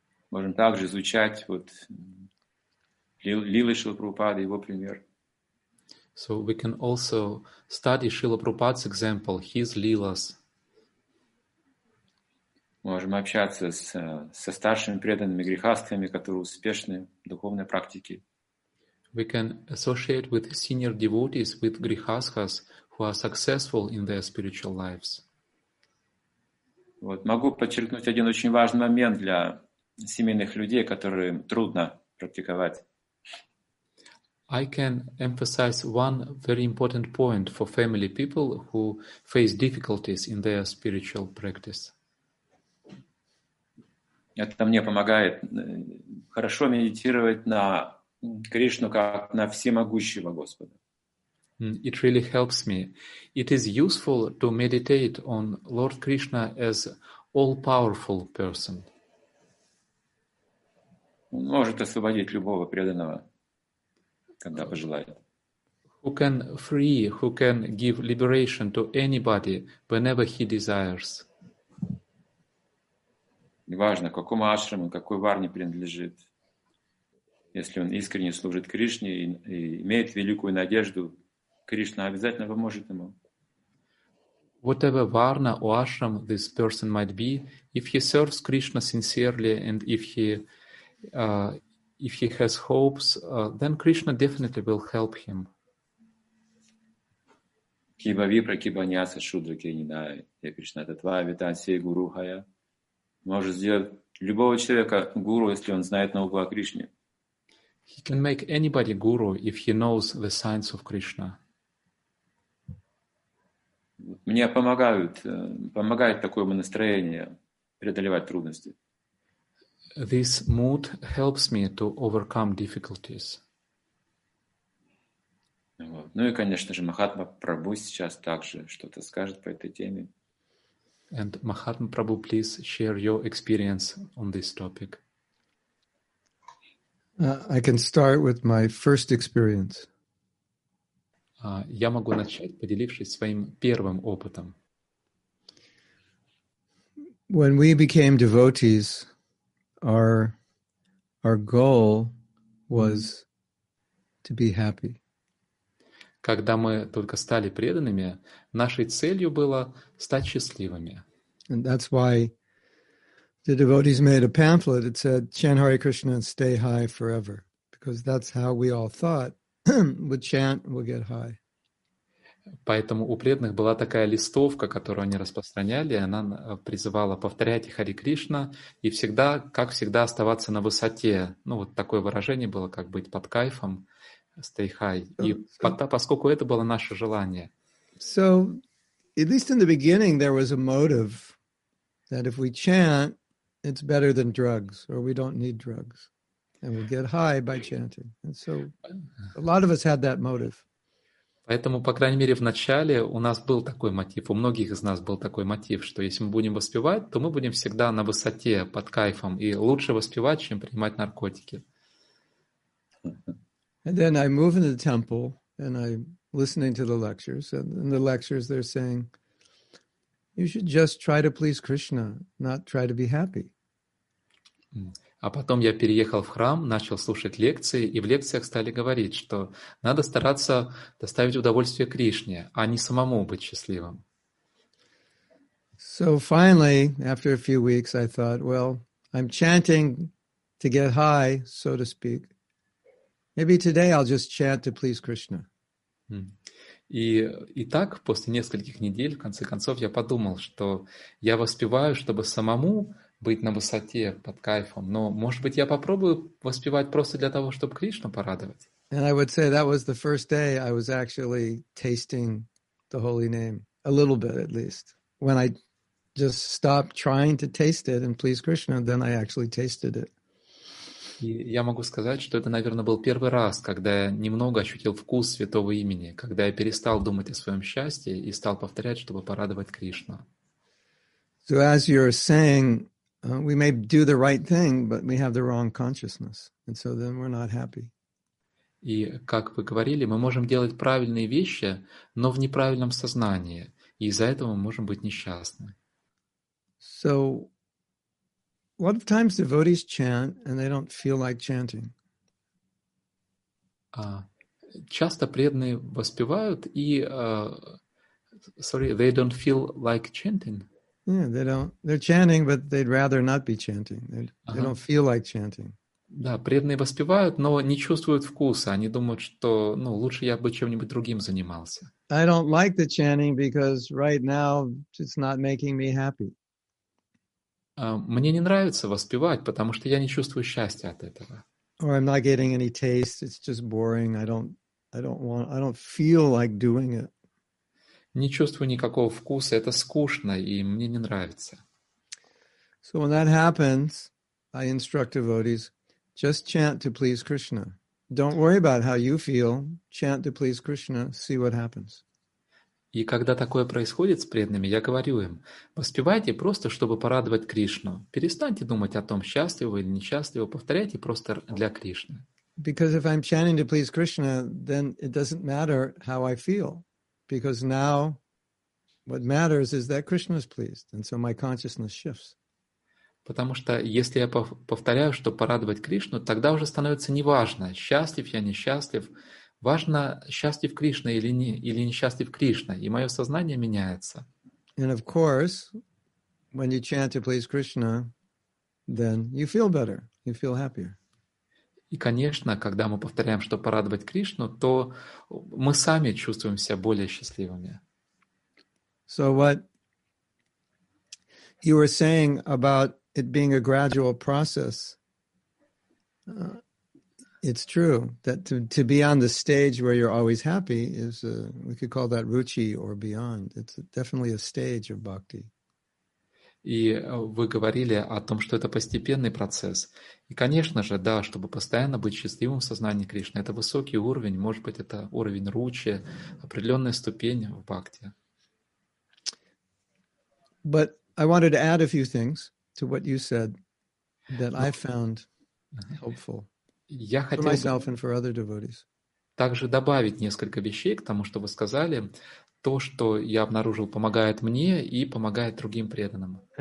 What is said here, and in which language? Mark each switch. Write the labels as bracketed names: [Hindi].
[Russian] Можем также изучать вот Лилы Шрила Прабхупады, его пример. [English] So we can also study Шрила Прабхупада's example, his Lilas. [Russian] Можем общаться со старшими преданными грихастхами, которые успешны в духовной практике. [English] We can associate with senior devotees, with grihasthas, who are successful in their spiritual lives. [Russian] Вот, могу подчеркнуть один очень важный момент для семейных людей, которым трудно практиковать. [English] I can emphasize one very important point for family people who face difficulties in their spiritual practice. [Russian] Это мне помогает хорошо медитировать на Кришну как на всемогущего Господа. [English] It really helps me. It is useful to meditate on Lord Krishna as all-powerful person. [Russian] Он может освободить любого преданного, когда пожелает. [English] Who can free, who can give liberation to anybody whenever he desires. [Russian] Неважно, к какому ашраму, какой варне принадлежит. Если он искренне служит Кришне и имеет великую надежду, Кришна обязательно поможет ему. [English] Whatever varna or ashram this person might be, if he serves Krishna sincerely and if he has hopes, then Krishna definitely will help him. [Sanskrit] Kiba vipra kibanyasa shudra kyaninaya. Я Кришна, это твоя витансия, гуру хая. [Russian] Может сделать любого человека гуру, если он знает науку о Кришне. [English] He can make anybody guru if he knows the science of Krishna. [Russian] Мне помогает такое настроение преодолевать трудности. [English] This mood helps me to overcome difficulties. [Russian] Вот. Ну и, конечно же, Махатма Прабху сейчас также что-то скажет по этой теме. [English] And Махатма Прабху, please share your experience on this topic. I can start with my first experience. [Russian] Я могу начать, поделившись своим первым опытом. [English] When we became devotees, our goal was to be happy. [Russian] Когда мы только стали преданными, нашей целью было стать счастливыми. [English] And that's why the devotees made a pamphlet that said, "Chant Hare Krishna and stay high forever," because that's how we all thought would chant, we'll get high. [Russian] Поэтому у преданных была такая листовка, которую они распространяли, и она призывала повторять Хари Кришна и всегда, как всегда, оставаться на высоте. Ну, вот такое выражение было, как быть под кайфом, [English] stay high. [Russian] So, поскольку это было наше желание. [English] So, at least in the beginning, there was a motive that if we chant, it's better than drugs, or we don't need drugs, and we'll get high by chanting. And so, a lot of us had that motive. [Russian] Поэтому, по крайней мере, в начале у нас был такой мотив, у многих из нас был такой мотив, что если мы будем воспевать, то мы будем всегда на высоте, под кайфом, и лучше воспевать, чем принимать наркотики. [English] And then I move into the temple, and I'm listening to the lectures, and in the lectures they're saying, you should just try to please Krishna, not try to be happy. [Russian] А потом я переехал в храм, начал слушать лекции, и в лекциях стали говорить, что надо стараться доставить удовольствие Кришне, а не самому быть счастливым. [English] So finally, after a few weeks, I thought, well, I'm chanting to get high, so to speak. Maybe today I'll just chant to please Krishna. [Russian] И так, после нескольких недель, в конце концов, я подумал, что я воспеваю, чтобы самому быть на высоте, под кайфом. Но, может быть, я попробую воспевать просто для того, чтобы Кришну порадовать. [English] And I would say that was the first day I was actually tasting the holy name, a little bit at least. When I just stopped trying to taste it and please Krishna, then I actually tasted it. [Russian] И я могу сказать, что это, наверное, был первый раз, когда я немного ощутил вкус святого имени, когда я перестал думать о своем счастье и стал повторять, чтобы порадовать Кришну. [English] So as you're saying, we may do the right thing, but we have the wrong consciousness, and so then we're not happy. [Russian] И как вы говорили, мы можем делать правильные вещи, но в неправильном сознании, и из-за этого мы можем быть несчастны. [English] So, a lot of times devotees chant and they don't feel like chanting. [Russian] Часто преданные воспевают и, [English] they don't feel like chanting. Yeah, they're chanting, but they'd rather not be chanting. They don't feel like chanting. [Russian] Да, преданные воспевают, но не чувствуют вкуса. Они думают, что, ну, лучше я бы чем-нибудь другим занимался. [English] I don't like the chanting because right now it's not making me happy. [Russian] Мне не нравится воспевать, потому что я не чувствую счастья от этого. [English] Or I'm not getting any taste. It's just boring. I don't feel like doing it. [Russian] Не чувствую никакого вкуса, это скучно, и мне не нравится. [English] So when that happens, I instruct devotees, just chant to please Krishna. Don't worry about how you feel, chant to please Krishna, see what happens. [Russian] И когда такое происходит с преданными, я говорю им, воспевайте просто, чтобы порадовать Кришну. Перестаньте думать о том, счастливы или несчастливы, повторяйте просто для Кришны. [English] Because if I'm chanting to please Krishna, then it doesn't matter how I feel. Because now what matters is that Krishna is pleased, and so my consciousness shifts. [Russian] Потому что если я повторяю, чтобы порадовать Кришну, тогда уже становится неважно, счастлив я, несчастлив. Важно, счастлив Кришна или не, или несчастлив Кришна, и мое сознание меняется. [English] And of course, when you chant to please Krishna, then you feel better, you feel happier. [Russian] И, конечно, когда мы повторяем, чтобы порадовать Кришну, то мы сами чувствуем себя более счастливыми. [English] So what you were saying about it being a gradual process, it's true that to be on the stage where you're always happy is, we could call that ruchi or beyond. It's definitely a stage of bhakti. [Russian] И вы говорили о том, что это постепенный процесс. И, конечно же, да, чтобы постоянно быть счастливым в сознании Кришны, это высокий уровень, может быть, это уровень ручи, определенная ступень в бхакти. [English] But I wanted to add a few things to what you said that I found helpful for myself and for other devotees. [Russian] Также добавить несколько вещей к тому, что вы сказали. То, что я обнаружил, помогает мне и помогает другим преданным.